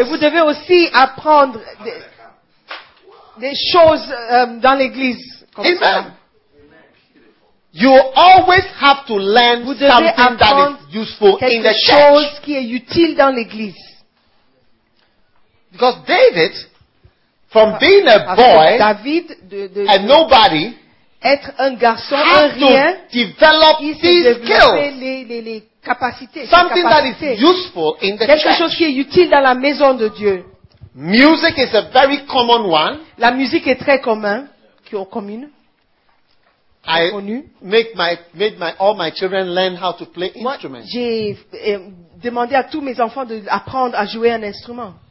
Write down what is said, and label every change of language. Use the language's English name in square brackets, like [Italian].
[French] Et vous devez aussi apprendre des choses dans l'église. Amen. [English] You always have to learn something that is useful in the church. [French] Quelque chose qui est utile dans l'église. [English] Because David, from being a boy, David, and nobody, [French] être un garçon, [English] had [French] un rien, [English] to develop these skills. [French] Les capacités, [English] something [French] capacités. [English] That is useful in the [French] quelque [English] church. [French] Chose qui est utile dans la maison de Dieu. [English] Music is a very common one. [French] La musique est très commun, qui est commune. [English] I made all my children learn how to play instruments. [French] J'ai demandé à tous mes enfants d'apprendre à jouer un instrument.